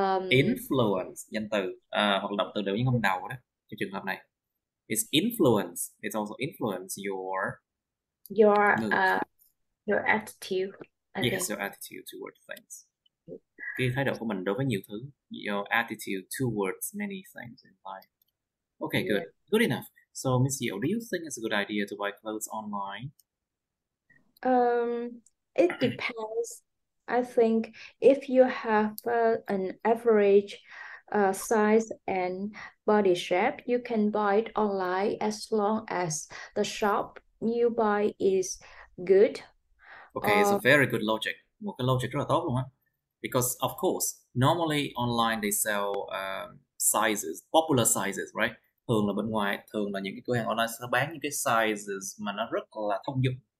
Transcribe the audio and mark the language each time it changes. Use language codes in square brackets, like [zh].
[vi] Influence, danh từ hoặc động từ đều như không đầu đó trong trường hợp này. [en] It's influence. It's also influence your mood. Your attitude. Yes, think. Your attitude towards things. [vi] Cái thái độ của mình đối với nhiều thứ. [en] Your attitude towards many things in life. Okay, good. Yeah. Good enough. So, Miss Yeo, do you think it's a good idea to buy clothes online? It depends. I think if you have an average size and body shape, you can buy it online as long as the shop you buy is good. Okay, it's a very good logic. [vi] Một cái logic rất là tốt luôn á. [en] Because of course, normally online they sell sizes, popular sizes, right? [vi] thường là bên ngoài, thường là những cái cửa hàng online sẽ bán những cái sizes mà nó rất là thông dụng.